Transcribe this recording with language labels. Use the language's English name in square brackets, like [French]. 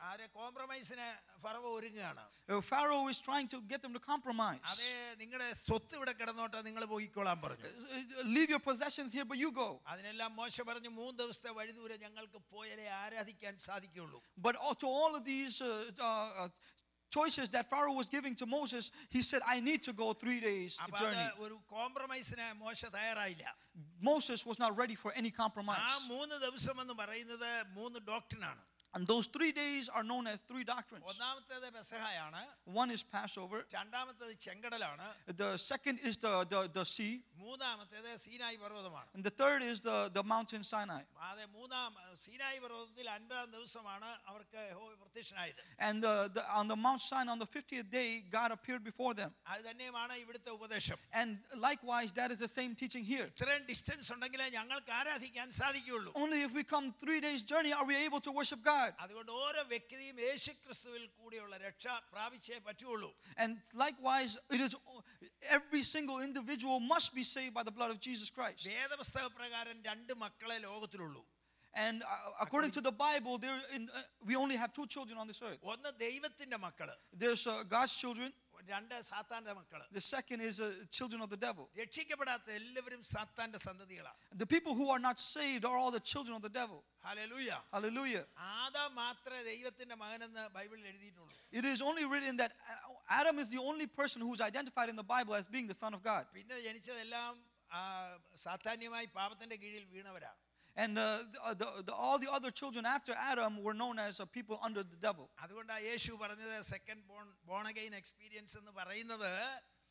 [Malayalam] ആരെ കോംപ്രമൈസിന് ഫറവോ ഒരുങ്ങുകയാണ്. [English] Pharaoh is trying to get them to compromise. [Malayalam] അതെ, നിങ്ങളുടെ സ്വത്ത് ഇവിടെ കിടന്നോട്ടെ, നിങ്ങൾ പോയിക്കോളാൻ പറഞ്ഞു. [English] Leave your possessions here, but you go. [Malayalam] അതിനെല്ലാം മോശ പറഞ്ഞു, 3 ദിവസത്തെ വഴിദൂരം ഞങ്ങൾക്ക് പോയാലേ ആരാധിക്കാൻ സാധിക്കുകയുള്ളൂ. [English] But to all of these choices that Pharaoh was giving to Moses, he said, I need to go 3 days journey. [Malayalam] അപ്പോൾ ഒരു കോംപ്രമൈസിന് മോശ തയ്യാറായില്ല. [English] Moses was not ready for any compromise. [Malayalam] ആ 3 ദിവസം എന്ന് പറയുന്നത് 3 doctrines ആണ്. [English] And those 3 days are known as 3 doctrines. [Malayalam] ഒന്നാമത്തേത് പെസഹയാണ്. [English] One is Passover. [Malayalam] രണ്ടാമത്തേത് ചെങ്കടലാണ്. [English] The second is the sea. [Malayalam] മൂന്നാമത്തേത് Sinai പർവ്വതമാണ്. [English] And the third is the mountain Sinai. [Malayalam] അതേ, സീനായ് പർവ്വതത്തിൽ 50ാം ദിവസമാണ് അവർക്ക് യഹോവ പ്രത്യക്ഷനായത്. [English] And on the Mount Sinai on the 50th day God appeared before them. [Malayalam] അത് തന്നെയാണ് ഇവിടുത്തെ ഉപദേശം. [English] And likewise that is the same teaching here. [Malayalam] ഇത്രയും ഡിസ്റ്റൻസ് ഉണ്ടെങ്കിലേ ഞങ്ങൾക്ക് ആരാധിക്കാൻ സാധിക്കുകയുള്ളൂ. [English] Only if we come 3 days journey are we able to worship God. [Malayalam] അതുകൊണ്ട് ഓരോ വ്യക്തിയും യേശുക്രിസ്തുവിൽ കൂടെയുള്ള രക്ഷ പ്രാപിച്ചേ പറ്റുള്ളൂ. [English] And likewise it is every single individual must be saved by the blood of Jesus Christ. [Malayalam] വേദപുസ്തക പ്രകാരം 2 മക്കളെ ലോകത്തിലുള്ളൂ. [English] And according to the Bible there we only have 2 children on this earth. [Malayalam] ഒന്ന് ദൈവത്തിന്റെ മക്കള്. [English] There's God's children. [Malayalam] രണ്ട് സാത്താന്റെ മക്കള്. [English] The second is children of the devil. [Malayalam] രക്ഷിക്കപ്പെടാത്ത എല്ലാവരും സാത്താന്റെ സന്തതികളാണ്. [English] The people who are not saved are all the children of the devil. Hallelujah. Hallelujah. [Malayalam] Adam മാത്രമേ ദൈവത്തിന്റെ മകൻ എന്ന് ബൈബിളിൽ എഴുതിയിട്ടുള്ളൂ. [English] It is only written that Adam is the only person who is identified in the Bible as being the son of God. [Malayalam] പിന്നെ ജനിച്ചതെല്ലാം സാത്താന്യമായി പാപത്തിന്റെ കീഴിൽ വീണവരാണ്. [English] And all the other children after Adam were known as people under the devil. [Malayalam] അതുകൊണ്ടാണ് യേശു പറഞ്ഞത് [English] second born again experience [Malayalam] എന്ന് പറയുന്നത്